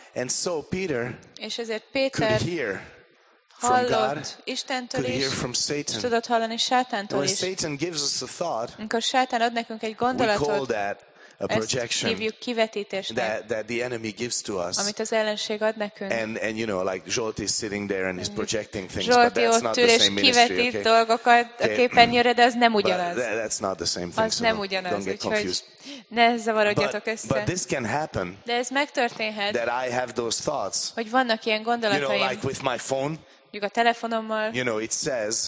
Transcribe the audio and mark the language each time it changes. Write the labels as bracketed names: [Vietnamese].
[English] And so Peter, [Hungarian] és ezért Péter [English] could hear [Hungarian] hallott [English] from God, [Hungarian] Istentől [English] could hear from Satan. [Hungarian] És tudott hallani Sátántól [English] when is. Satan gives us a thought, [Hungarian] amikor Sátán ad nekünk egy gondolatot, [English] we call that a projection, [Hungarian] ezt hívjuk kivetítésnek, [English] that the enemy gives to us, [Hungarian] amit az ellenség ad nekünk. [English] And you know, like Zsolt is sitting there and he's projecting things, [Hungarian] Zsolti, [English] but that's not the same ministry. Zsolti [Hungarian] ott kivetít dolgokat a képernyőre, de az nem ugyanaz. [English] That's not the same thing, [Hungarian] az nem ugyanaz, so úgyhogy ne zavarodjatok össze. [English] But this can happen, [Hungarian] de ez megtörténhet, [English] that I have those thoughts, [Hungarian] hogy vannak ilyen gondolataim. [English] You know, like with my phone, [Hungarian] a telefonommal, [English] you know, it says,